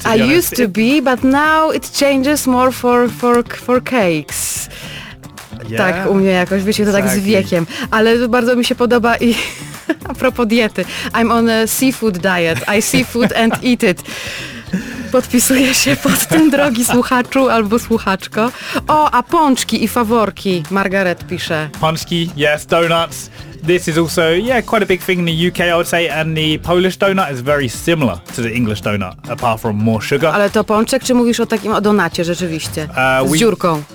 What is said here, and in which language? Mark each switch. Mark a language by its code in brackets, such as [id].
[en] I used to be, but now it changes more for cakes. Yeah. [pl] Tak u mnie jakoś, wiecie, to tak z wiekiem. Ale bardzo mi się podoba i a propos diety. [en] I'm on a seafood diet. I see food and eat it. [pl] Podpisuję się pod tym, drogi słuchaczu albo słuchaczko. O, a pączki i faworki, Margaret pisze. [en] Pączki, yes, donuts. This is also, quite a big thing in the UK, I would say, and the Polish donut is very similar to the English donut, apart from more sugar. [pl] Ale to pączek, czy mówisz o takim, o donacie rzeczywiście, z dziurką?